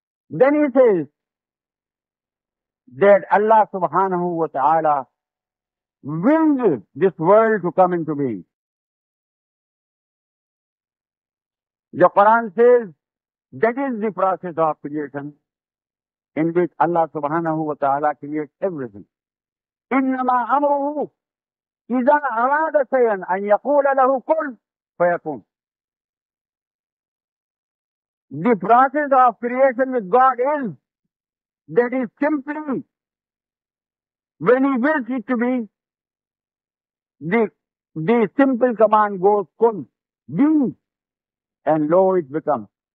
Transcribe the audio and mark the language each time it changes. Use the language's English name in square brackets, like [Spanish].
[English] Then he says that Allah subhanahu wa ta'ala willed this world to come into being. The Quran says that is the process of creation in which Allah subhanahu wa ta'ala creates everything. [Arabic] إِنَّمَا أَمْرُهُ إِذَا أَرَادَ شَيْئًا أَنْ يَقُولَ لَهُ كُنْ فَيَكُونُ. [English] The process of creation with God is that is simply when He wills it to be, the simple command goes kun, be, and lo it becomes.